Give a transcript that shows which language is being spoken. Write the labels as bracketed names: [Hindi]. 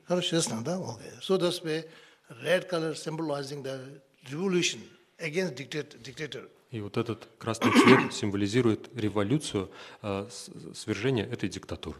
[Russian] Хорошо, ясно, да? [English] Okay. So that's why red color symbolizing the revolution against dictator. [Russian] И вот этот красный цвет символизирует революцию, свержение этой диктатуры.